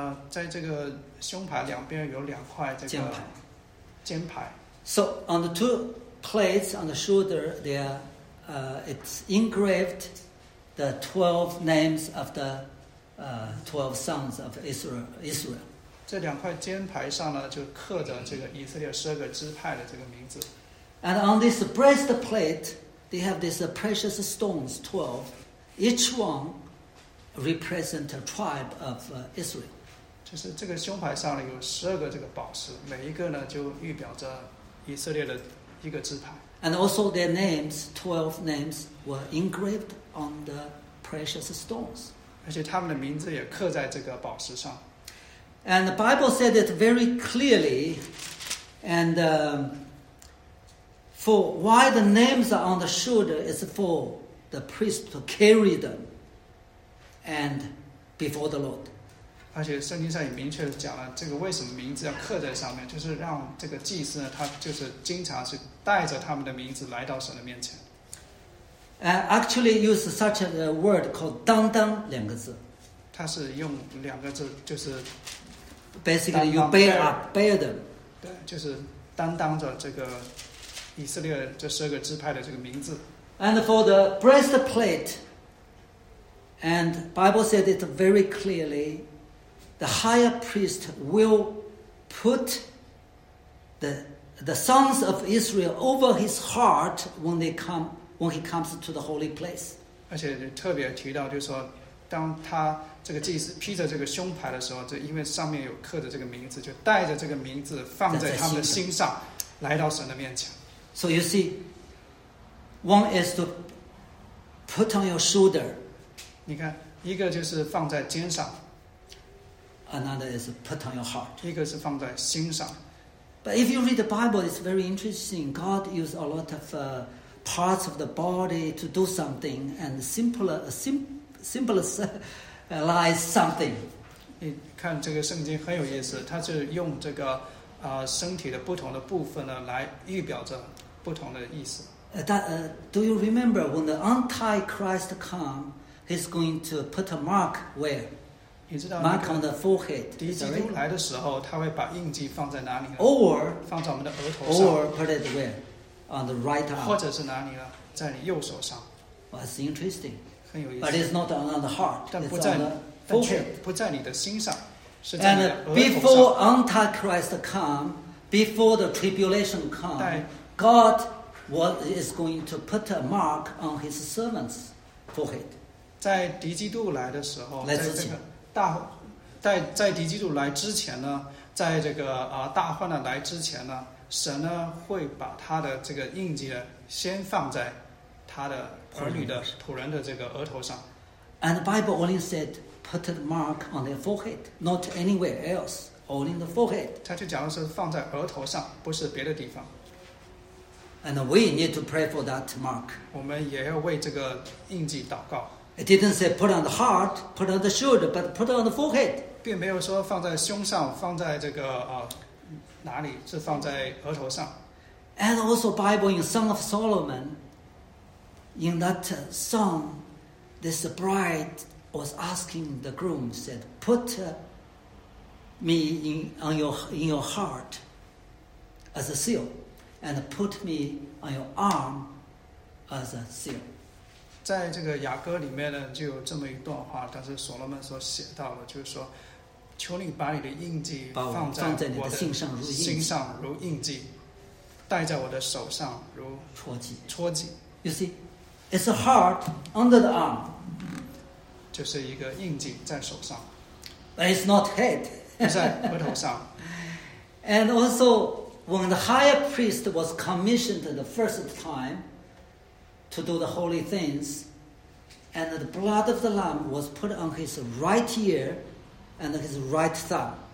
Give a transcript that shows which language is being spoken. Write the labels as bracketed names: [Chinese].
[Chinese] 在这个胸牌两边有两块这个肩牌。 [English] So on the two plates on the shoulder, it's engraved the 12 names of the 12 sons of Israel. [Chinese] 这两块肩牌上呢，就刻着这个以色列十二个支派的这个名字。 [English] And on this breastplate. They have these precious stones, 12. Each one represents a tribe of Israel. [Chinese] 就是这个胸牌上有十二个这个宝石，每一个呢就预表着以色列的一个支派。 [English] And also their names, 12 names, were engraved on the precious stones. [Chinese] 而且他们的名字也刻在这个宝石上。 [English] And the Bible said it very clearly, and... For why the names are on the shoulder is for the priest to carry them and before the Lord. [Chinese] 而且圣经上也明确讲了这个为什么名字要刻在上面，就是让这个祭司呢，他就是经常是带着他们的名字来到神的面前。 [English] Actually use such a word called [Chinese] 当当两个字。他是用两个字，就是 [English] Basically you bear them. [Chinese] 对，就是担当着这个以色列这十二个支派的这个名字。 [English] And for the breastplate, and Bible said it very clearly, the higher priest will put the sons of Israel over his heart when he comes to the holy place. [Chinese] 而且特别提到就是说，当他这个祭司披着这个胸牌的时候，就因为上面有刻着这个名字，就带着这个名字放在他们的心上，来到神的面前。 [English] So you see, one is to put on your shoulder. [Chinese] 你看，一个就是放在肩上。 [English] Another is put on your heart. [Chinese] 一个是放在心上。 [English] But if you read the Bible, it's very interesting. God used a lot of parts of the body to do something and symbolize something. [Chinese] 你看这个圣经很有意思，它是用这个身体的不同的部分呢来预表着。不同的意思。 [English] Do you remember when the Antichrist come, he's going to put a mark where? Mark on the forehead. [Chinese] 敌基督来的时候，他会把印记放在哪里呢 [English] ？Or [Chinese] 放在我们的额头上 [English] ？Or put it where? On the right arm. [Chinese] 或者是哪里呢？在你右手上。 [English] Well, that's interesting. [Chinese] 很有意思。 [English] But it's not on the heart. [Chinese] 但不在 [English] forehead. [Chinese] 不在你的心上。 [English] And before Antichrist come, before the tribulation come. God is going to put a mark on His servant's forehead. [Chinese] 在敌基督来的时候，来之前，在敌基督来之前呢，在这个大患难来之前呢，神呢会把他的这个印记呢先放在他的儿女的仆人的这个额头上。 [English] And the Bible only said put a mark on their forehead, not anywhere else, only in the forehead. [Chinese] 他就讲的是放在额头上，不是别的地方。 [English] And we need to pray for that mark. [Chinese] 我们也要为这个印记祷告。 [English] It didn't say put on the heart, put on the shoulder, but put on the forehead. [Chinese] 并没有说放在胸上，放在这个哪里是放在额头上。 [English] And also Bible in Song of Solomon, in that song, this bride was asking the groom, said, put me in your heart as a seal, and put me on your arm as a seal. [Chinese] 在这个雅歌里面呢，就有这么一段话，但是所罗门所写到的，就是说，求你把你的印记放在我的心上如印记。心上如印记，戴在我的手上如戳记。戳记。 [English] You see, it's a heart under the arm. [Chinese] 就是一个印记在手上。 [English] But it's not head. [Chinese] 在额头上。 [English] And also, when the high priest was commissioned the first time to do the holy things, and the blood of the lamb was put on his right ear and his right thumb.